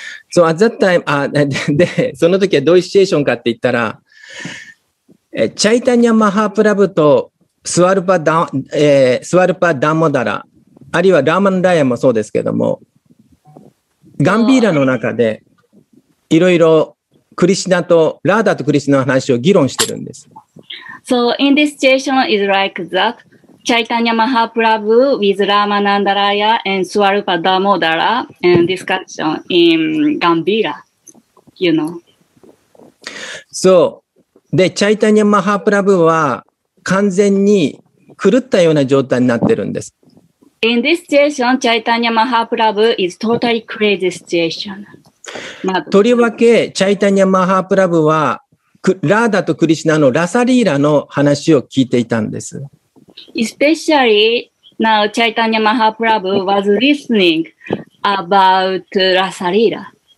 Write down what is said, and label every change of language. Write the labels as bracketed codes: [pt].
[en] So at that time, [ja] で、その時はどういうシチュエーションかって言ったら、チャイタニャマハプラブとスワルパダモダラ、あるいはラーマンダイヤもそうですけども、ガンビーラの中で、いろいろクリシナとラーダとクリシナの話を議論してるんです。 [en] So in this situation is like that. Chaitanya Mahaprabhu with Rama Nandaraya and Swarupa Damodara and discussion in Gambira, you know. [ja] So, で、Chaitanya Mahaprabhu は完全に狂ったような状態になってるんです。 [en] In this situation, Chaitanya Mahaprabhu is totally crazy situation. [ja] とりわけチャイタニャ・マハープラブはラーダとクリシナのラサリーラの話を聞いていたんです。 [en] Especially now チャイタニャ・マハープラブ was listening about ラサリーラ。